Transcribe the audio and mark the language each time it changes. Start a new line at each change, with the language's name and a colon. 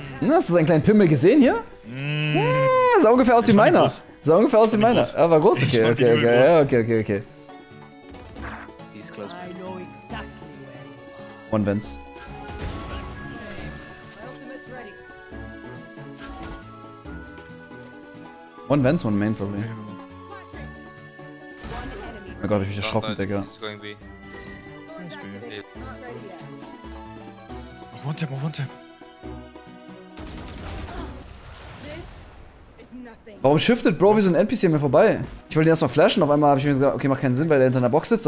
German: Hast du seinen kleinen Pimmel gesehen hier? Mm. Sah ungefähr aus wie meiner. Sah ungefähr aus wie meiner. Er war groß, okay. Okay, okay, okay, okay.
English: He he's close. I know exactly where he is. One Vince. One Vents, one Main, probably.
German: Oh mein Gott, ich bin erschrocken, Digga. Noch one tap, noch one tap. Warum shiftet Bro wie so ein NPC an mir vorbei? Ich wollte ihn erstmal flashen, auf einmal habe ich mir gesagt, okay, macht keinen Sinn, weil der hinter einer Box sitzt.